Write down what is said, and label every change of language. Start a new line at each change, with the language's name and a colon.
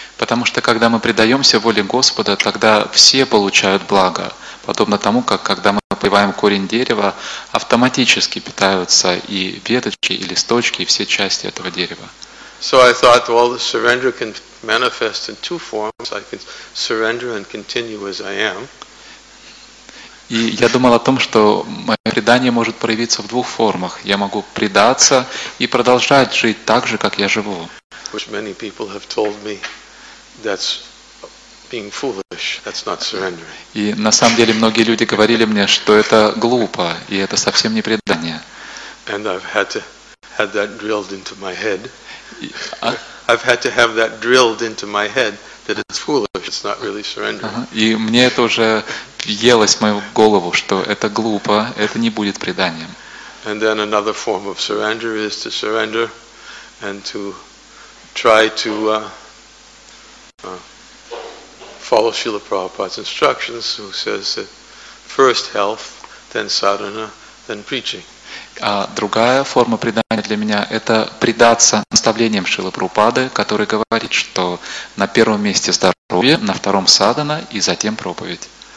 Russian: Потому что когда мы предаемся воле Господа, тогда все получают благо, подобно тому, как когда мы поливаем корень дерева, автоматически питаются и веточки, и листочки, и все части этого дерева.
English: So I thought, well, the surrender can manifest in two forms. I can surrender and continue as I am.
Russian: И я думал о том, что мое предание может проявиться в двух формах. Я могу предаться и продолжать жить так же, как я живу.
English: Which many people have told me that's being foolish. That's not surrendering.
Russian: И на самом деле многие люди говорили мне, что это глупо, и это совсем не предание.
English: And I've had to have that drilled into my head. I've had to have that drilled into my head that it's foolish. It's not really surrendering.
Russian: И мне это уже въелось в мою голову, что это глупо, это не будет преданием.
English: And then another form of surrender is to surrender and to try to follow Srila Prabhupada's instructions, who says that first health, then sadhana, then preaching.
Russian: А другая форма предания для меня – это предаться наставлениям Шрилы Прабхупады, который говорит, что на первом месте здоровье, на втором – садхана, и затем – проповедь.